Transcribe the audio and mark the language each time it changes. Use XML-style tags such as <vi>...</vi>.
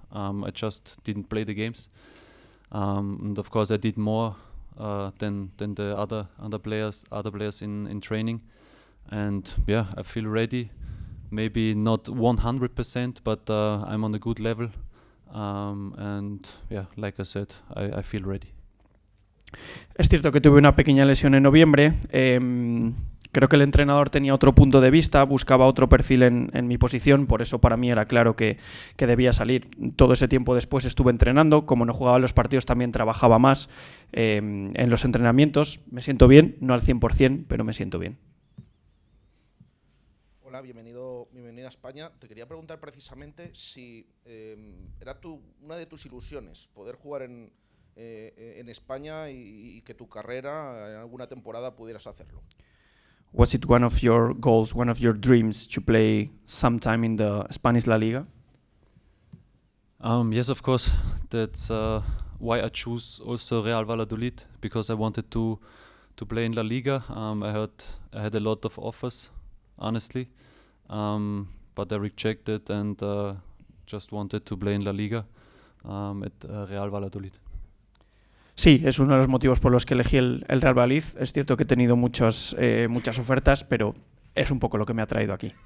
<en>I just didn't play the games, and of course I did more than the other players in training. And yeah, I feel ready. Maybe not 100%, but I'm on a good level. And yeah, like I said, I feel ready.</en> <es>Es cierto que tuve una pequeña lesión en noviembre. Creo que el entrenador tenía otro punto de vista, buscaba otro perfil en mi posición, por eso para mí era claro que debía salir. Todo ese tiempo después estuve entrenando, como no jugaba los partidos también trabajaba más en los entrenamientos. Me siento bien, no al 100%, pero me siento bien. Hola, bienvenido a España. Te quería preguntar precisamente si era una de tus ilusiones poder jugar en España y que tu carrera en alguna temporada pudieras hacerlo.</es> <en>Was it one of your goals, one of your dreams to play sometime in the Spanish La Liga? Yes, of course. That's why I chose also Real Valladolid, because I wanted to play in La Liga. I had a lot of offers, honestly. But I rejected and just wanted to play in La Liga at Real Valladolid.</en> <es>Sí, es uno de los motivos por los que elegí el Real Valladolid. Es cierto que he tenido muchas ofertas, pero es un poco lo que me ha traído aquí.</es>